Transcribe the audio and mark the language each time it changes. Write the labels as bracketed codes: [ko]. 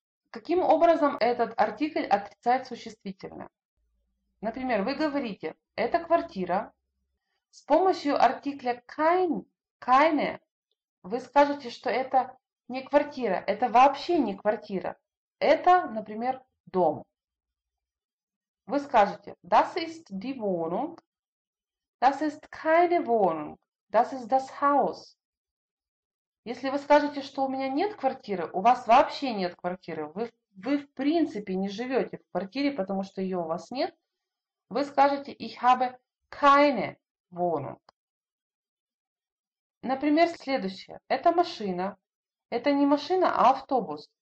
[ru] Каким образом этот артикль отрицает существительное? Например, вы говорите «это квартира». С помощью артикля kein, keine, вы скажете, что это не квартира, это вообще не квартира. Это, например, дом. Вы скажете [de] «das ist die Wohnung», «das ist keine Wohnung», «das ist das Haus». [ru] Если вы скажете, что у меня нет квартиры, у вас вообще нет квартиры, вы в принципе не живете в квартире, потому что ее у вас нет, вы скажете [de] «Ich habe keine Wohnung». [ru] Например, следующее. Это машина. Это не машина, а автобус.